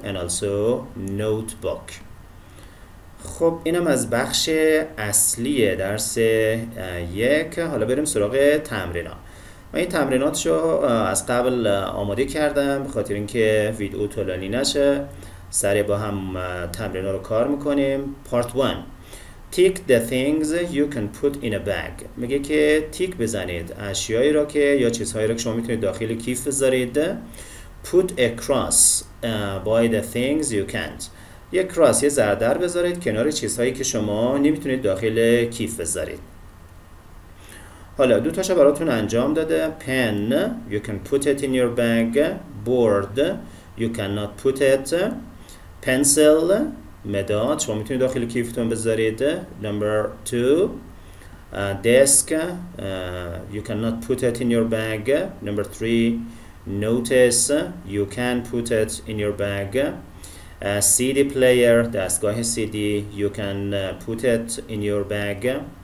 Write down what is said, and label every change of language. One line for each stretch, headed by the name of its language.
English: And also notebook.
Persian: خب اینم از بخش اصلی درس 1. حالا بریم سراغ تمرینات. من این تمریناتشو از قبل آماده کردم بخاطر اینکه ویدئو طولانی نشه، سریع با هم تمرینات رو کار میکنیم.
English: Part 1, tick the things you can put in a bag.
Persian: میگه که تیک بزنید اشیایی را که یا چیزهایی را که شما میتونید داخل کیف بذارید.
English: Put across by the things you can't.
Persian: یک کراس، یه زردر بذارید کنار چیزهایی که شما نمیتونید داخل کیف بذارید. حالا دو تاشو براتون انجام داده.
English: Pen, you can put it in your bag. Board, you cannot put it.
Persian: Pencil, مداد، شما میتونید داخل کیفتون بذارید.
English: Number 2, desk, you cannot put it in your bag. Number 3, notice, you can put it in your bag. CD player,
Persian: دستگاه CD,
English: you can put it in your bag.